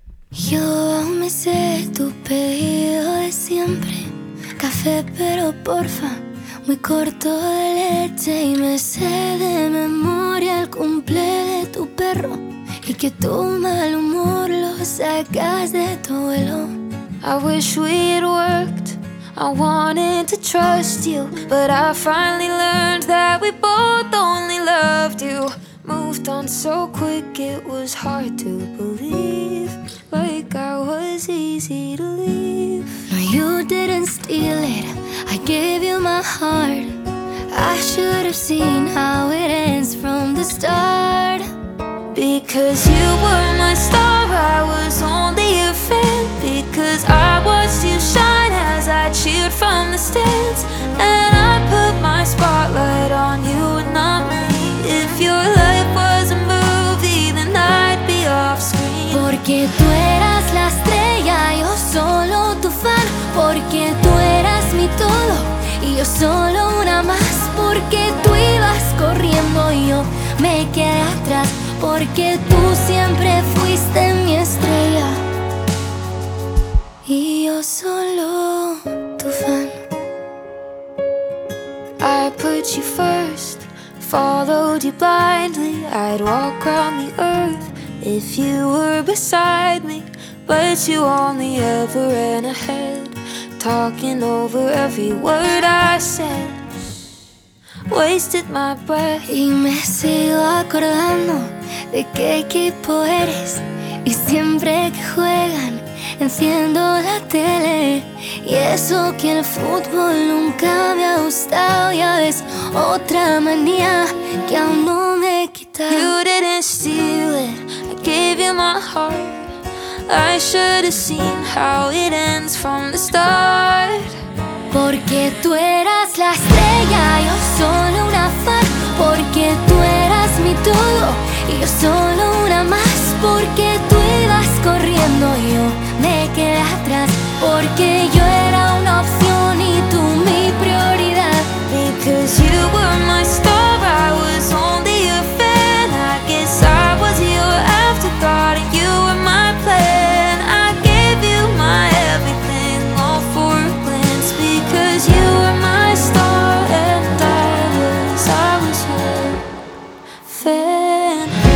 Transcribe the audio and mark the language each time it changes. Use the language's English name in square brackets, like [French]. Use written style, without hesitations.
[Spanish] Yo me sé tu pedido de siempre. Café, pero porfa, muy corto de leche. Y me sé de memoria el cumple de tu perro. Y que tu mal humor lo sacas de tu vuelo. [English] I wish we'd worked. I wanted to trust you, but I finally learned that we both only loved you. Moved on so quick, it was hard to believe. Like I was easy to leave. No, you didn't steal it, I gave you my heart. I should have seen how it ends from the start. Because you were my star, I was only a fan. Because I watched you shine as I cheered from the stands. And I put my spotlight on you and not me. If your life was a movie, then I'd be off screen. [Spanish] Porque tú eras la estrella, yo solo tu fan. Porque tú eras mi todo, y yo solo una más. Porque tú ibas corriendo y yo me quedé atrás. Porque tú siempre fuiste mi estrella y yo solo tu fan. [English] I put you first, followed you blindly. I'd walk around the earth if you were beside me. But you only ever ran ahead, talking over every word I said. Wasted my breath. [Spanish] Y me sigo acordando de qué equipo eres. Y siempre que juegan enciendo la tele. Y eso que el fútbol nunca me ha gustado. Ya ves, otra manía que aún no me he quitado. [English] You didn't steal it, I gave you my heart. I should have seen how it ends from the start. [Spanish] Porque tú eras la estrella, yo solo una fan. Porque tú eras mi todo, y yo solo una más. Porque tú ibas corriendo, yo me quedé atrás. Porque yo era una opción y tú mi prioridad. [English] Because you were my star, I was only a fan. I guess I was your afterthought and you were my plan. I gave you my everything all for a glance. Because you were my star and I was your fan.